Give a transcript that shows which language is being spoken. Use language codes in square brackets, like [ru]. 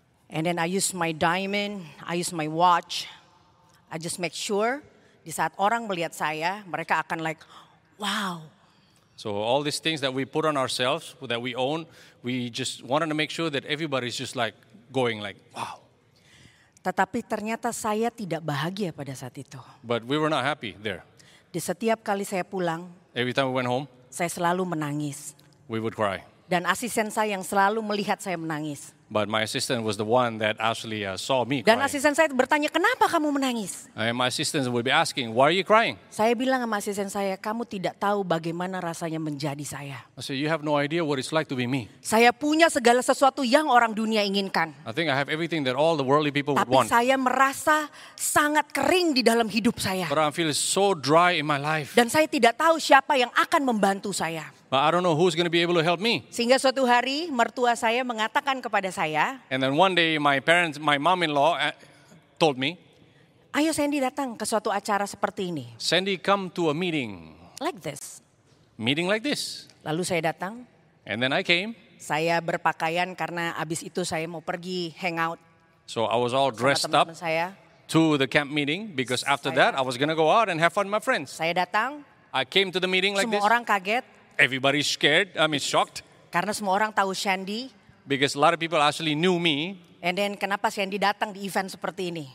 [en] And then I use my diamond, I use my watch. I just make sure [id] di saat orang melihat saya, mereka akan [en] like, wow. So all these things that we put on ourselves, that we own, we just wanted to make sure that everybody's just like going like, wow. [id] Tetapi ternyata saya tidak bahagia pada saat itu. [en] But we were not happy there. [id] Di setiap kali saya pulang, [en] every time we went home, [id] saya selalu menangis. [en] We would cry. [id] Dan asisten saya yang selalu melihat saya menangis. [en] But my assistant was the one that actually saw me crying. [id] Dan asisten saya bertanya, kenapa kamu menangis? [en] And my assistant would be asking, why are you crying? [id] Saya bilang sama asisten saya, kamu tidak tahu bagaimana rasanya menjadi saya. [en] I said, you have no idea what it's like to be me. [id] Saya punya segala sesuatu yang orang dunia inginkan. [en] I think I have everything that all the worldly people [id] Tapi [en] would want. [id] Tapi saya merasa sangat kering di dalam hidup saya. [en] But I feel so dry in my life. [id] Dan saya tidak tahu siapa yang akan membantu saya. [en] But I don't know who's going to be able to help me. [id] Sehingga suatu hari mertua saya mengatakan kepada saya. [en] And then one day my mom-in-law told me. [id] Ayo Shandy datang ke suatu acara seperti ini. [en] Shandy come to a meeting. Like this. Meeting like this. [id] Lalu saya datang. [en] And then I came. [id] Saya berpakaian karena abis itu saya mau pergi [en] hangout. So I was all dressed up [id] saya. [en] To the camp meeting because after [id] saya, [en] that I was going to go out and have fun with my friends. [id] Saya datang. [en] I came to the meeting like [id] semua Semua orang kaget. [en] Everybody's scared. I mean, shocked. [id] Karena semua orang tahu Shandy. [en] Because a lot of people actually knew me. And then [id] kenapa Shandy datang di event seperti ini?